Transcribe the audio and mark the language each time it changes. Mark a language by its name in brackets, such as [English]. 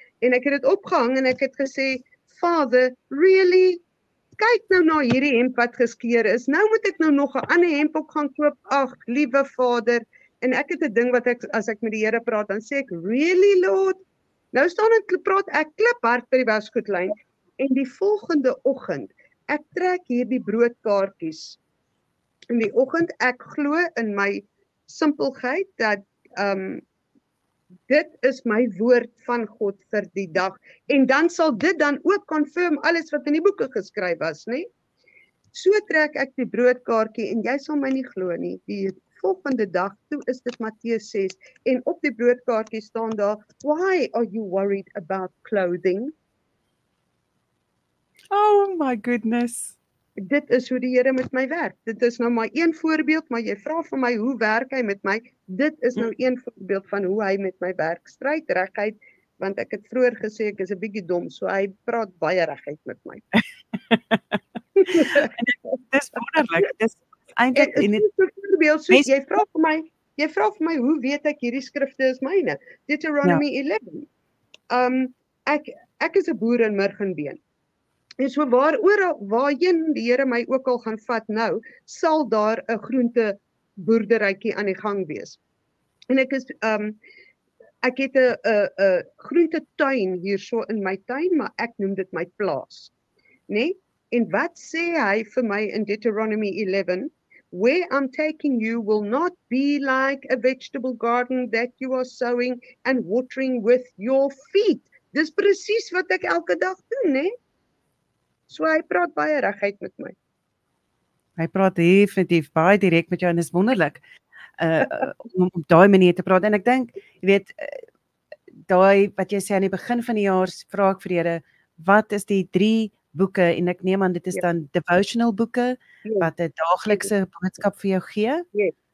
[Afrikaans] En ek het dit opgehang en ek het gesê, Vader, really? Kyk nou na hierdie hemp wat geskeur is. Nou moet ek nou nog 'n ander hemp ook gaan koop. Ag, liewe Vader. En ek het 'n ding wat ek, as ek met die Here praat, dan sê ek, really, Lord? Nou staan en praat ek kliphard by die wasgoedlyn en die volgende oggend ek trek hier die broodkaartjies. In die oggend ek glo in my simpelheid dat dit is my woord van God vir die dag en dan sal dit dan ook confirm alles wat in die boeke geskryf was, nie? So trek ek die broodkaartjie en jy sal my nie glo nie. Die volgende dag, toe is dit Matteus 6 en op die broodkaartjie staan daar, why are you worried about clothing? [English] Oh my goodness. [Afrikaans] Dit is hoe die Here met my werk. Dit is nou maar een voorbeeld, maar jy vra vir my, hoe werk hy met my? Dit is nou een voorbeeld van hoe hy met my werk. Stryd regheid, want ek het vroeger gesê, ek is 'n bietjie dom, so hy praat baie regheid met my. Dis wonderlik. Dis eintlik in dit voorbeeld, so mes, jy vra vir my, hoe weet ek hierdie skrifte is myne? Deuteronomy 11. Ek is 'n boer in Murgenbeen. En so waar oral, waarheen die Here my ook al gaan vat nou, sal daar 'n groente boerderykie aan die gang wees. En ek is, ek het 'n groente tuin hierso in my tuin, maar ek noem dit my plaas. Nee? En wat sê hy vir my in Deuteronomy 11? [English] Where I'm taking you will not be like a vegetable garden that you are sowing and watering with your feet. [Afrikaans] Dis presies wat ek elke dag doen, nee? So hy praat baie regheid met my. Hy praat definitief baie direk met jou en is wonderlik om daai manier te praat. En ek dink, jy weet, daai wat jy sê aan die begin van die jaar, vra ek vir die Here, wat is die drie boeke, en ek neem aan, dit is dan devotional boeke, wat 'n daaglikse boodskap vir jou gee?